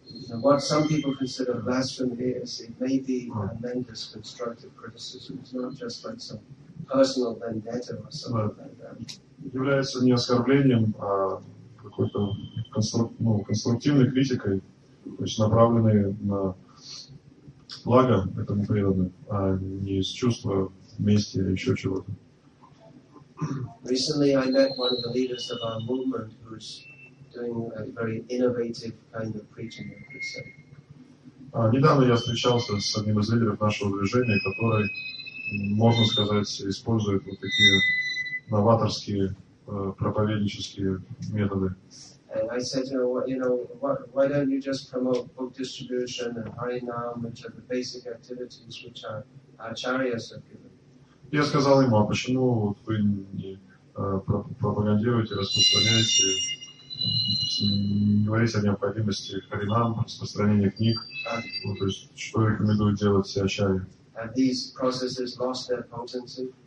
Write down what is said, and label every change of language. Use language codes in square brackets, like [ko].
[en] What some people consider blasphemy is, it may be tremendous constructive criticism. It's not just like some personal vendetta or something like that. [ru] Является не оскорблением, а какой-то конструктивной критикой, то есть направленной на благо этому преданному, а не из чувства мести или еще чего-то. [en] Recently I met one of the leaders of our movement who's doing a very innovative kind of preaching, I could say. [ru] Недавно я встречался с одним из лидеров нашего движения, который, можно сказать, использует вот такие новаторские проповеднические методы. [en] And I said, why don't you just promote book distribution and Harinam, which are the basic activities which our acharyas have given? [ru] Я сказал ему, а почему вы не пропагандируете, распространяете, говорите о необходимости харинам, распространения книг, вот, то есть что рекомендуют делать все ачарьи. [en] Have these processes lost their potency?